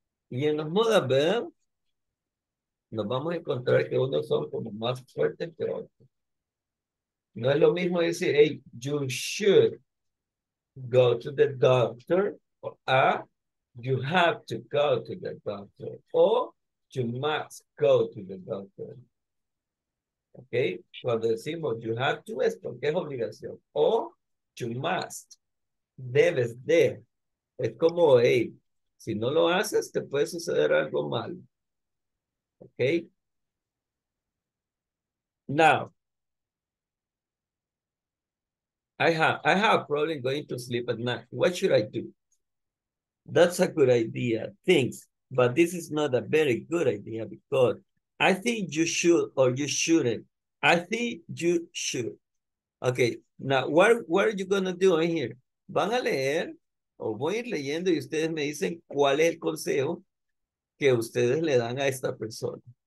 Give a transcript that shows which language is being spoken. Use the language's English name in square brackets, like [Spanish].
[Spanish] Y en los modal verbs, nos vamos a encontrar que unos son como más fuertes que otros. No es lo mismo decir, [English] hey, you should go to the doctor, or you have to go to the doctor, or you must go to the doctor. [Spanish] ¿Ok? Cuando decimos [English] you have to, [Spanish] es porque es obligación. O [English] you must. [Spanish] Debes de. Es como, hey, si no lo haces, te puede suceder algo malo. ¿Ok? [English] Now, I have a problem going to sleep at night. What should I do? That's a good idea. Thanks. But this is not a very good idea because I think you should or you shouldn't. I think you should. Okay, now what are you going to do in here? [Spanish] Van a leer, o voy a ir leyendo y ustedes me dicen cuál es el consejo que ustedes le dan a esta persona.